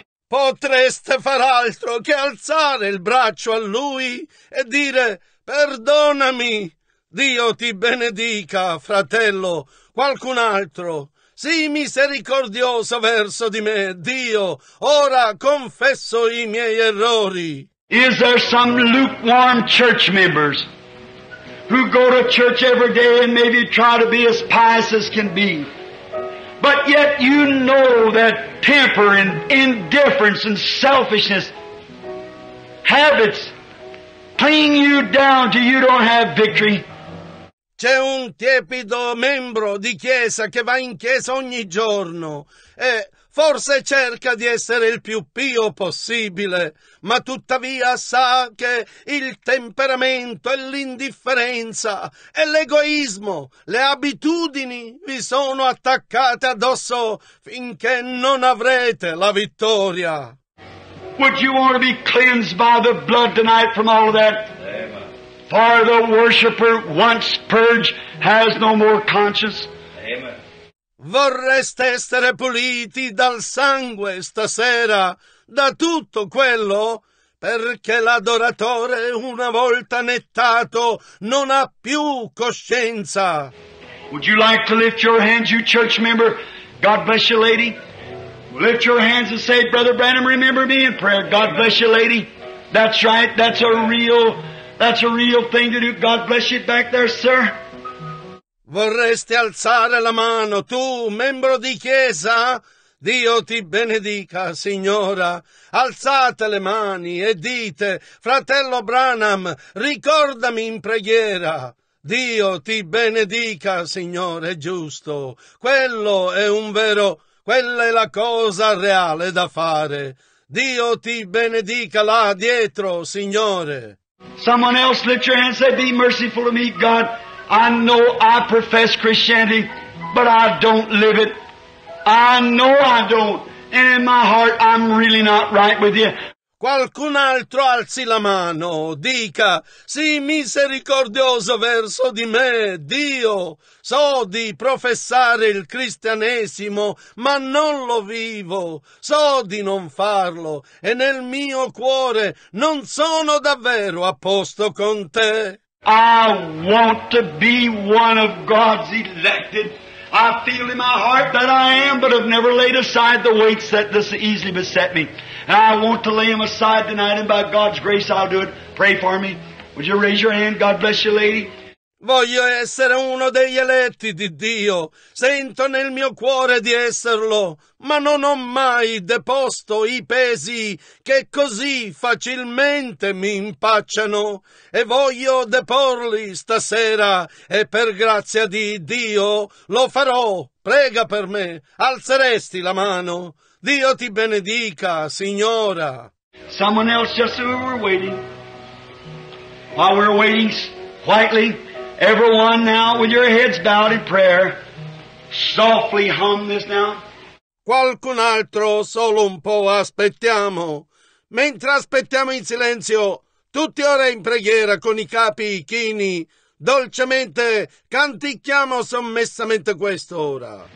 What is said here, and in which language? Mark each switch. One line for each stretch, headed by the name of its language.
Italian: Potreste far altro che alzare il braccio a lui e dire, perdonami, Dio ti benedica, fratello, qualcun altro. Sii misericordioso verso di me, Dio, ora confesso i miei errori.
English: Is there some lukewarm church members who go to church every day and maybe try to be as pious as can be, but yet you know that temper and indifference and selfishness, habits, bring you down till you don't have victory?
Italian: C'è un tiepido membro di chiesa che va in chiesa ogni giorno e forse cerca di essere il più pio possibile, ma tuttavia sa che il temperamento e l'indifferenza e l'egoismo, le abitudini vi sono attaccate addosso finché non avrete la vittoria.
English: Would you want to be cleansed by the blood tonight from all of that? Amen. for the worshiper once purged has no more conscience. Amen.
Italian: Vorreste essere puliti dal sangue stasera, da tutto quello? Perché l'adoratore, una volta nettato, non ha più coscienza.
English: Would you like to lift your hands, you church member? God bless you, lady. Lift your hands and say, Brother Branham, remember me in prayer. God bless you, lady. That's right. That's a real thing to do. God bless you back there, sir.
Italian: Vorresti alzare la mano, tu, membro di chiesa? Dio ti benedica, signora. Alzate le mani e dite, fratello Branham, ricordami in preghiera. Dio ti benedica, signore, giusto. Quello è un vero, quella è la cosa reale da fare. Dio ti benedica là dietro, signore.
English: Someone else lift your hands and say, be merciful to me, God. I know I profess Christianity, but I don't live it. I know I don't. And in my heart, I'm really not right with you.
Italian: Qualcun altro alzi la mano, dica, sii misericordioso verso di me, Dio. So di professare il cristianesimo, ma non lo vivo. So di non farlo, e nel mio cuore non sono davvero a posto con te.
English: I want to be one of God's elected. I feel in my heart that I am, but I've never laid aside the weights that this easily beset me. And I want to lay them aside tonight, and by God's grace I'll do it. Pray for me. Would you raise your hand? God bless you, lady.
Italian: Voglio essere uno degli eletti di Dio. Sento nel mio cuore di esserlo, ma non ho mai deposto i pesi che così facilmente mi impacciano. E voglio deporli stasera, e per grazia di Dio lo farò. Prega per me. Alzeresti la mano? Dio ti benedica, signora.
English: Someone else just who we're waiting. While we're waiting quietly. Everyone now with your heads bowed in prayer, softly hum this now.
Italian: Qualcun altro, solo un po' aspettiamo. Mentre aspettiamo in silenzio, tutti ora in preghiera con i capi chini, dolcemente canticchiamo sommessamente questo ora.